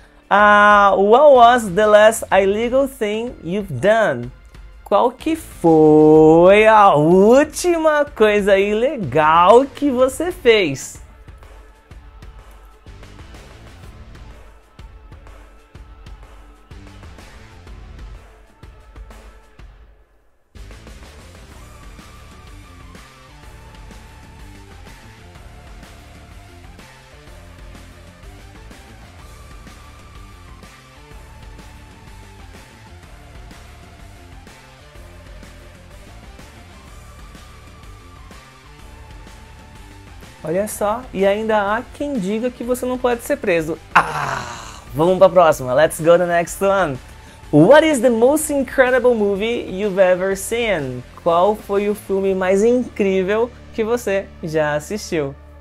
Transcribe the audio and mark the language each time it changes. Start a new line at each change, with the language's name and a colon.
English: What was the last illegal thing you've done?
Portuguese: Qual que foi a última coisa ilegal que você fez? Olha só, e ainda há quem diga que você não pode ser preso. Ah, vamos para a próxima.
English: Let's go to the next one. What is the most incredible movie you've ever seen?
Portuguese: Qual foi o filme mais incrível que você já assistiu?